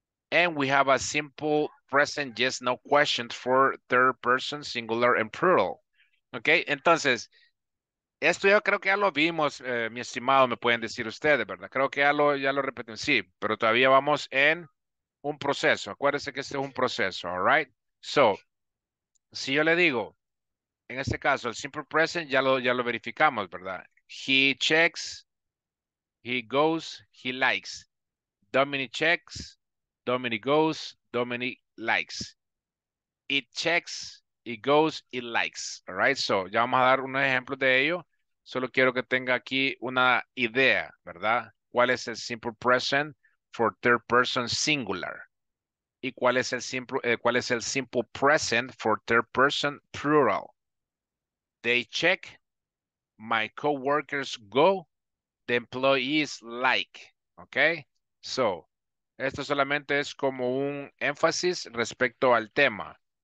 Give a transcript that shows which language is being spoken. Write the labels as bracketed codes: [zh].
[en] And we have a simple present, yes, no questions for third person singular and plural. [es] Okay, entonces, esto yo creo que ya lo vimos, mi estimado, me pueden decir ustedes, ¿verdad? Creo que ya lo repetimos, sí, pero todavía vamos en un proceso. Acuérdense que este es un proceso, [en] all right? So, [es] si yo le digo, en este caso, el simple present ya lo verificamos, ¿verdad? [en] He checks, he goes, he likes. Dominic checks, Dominic goes, Dominic likes. It checks, it goes, it likes. All right, so [es] ya vamos a dar unos ejemplos de ello. Solo quiero que tenga aquí una idea, ¿verdad? ¿Cuál es el [en] simple present for third person singular? [es] ¿Y cuál es el [en] simple present for third person plural? They check. My co-workers go, the employees like, okay? [es] So, esto solamente es como un énfasis respecto al tema.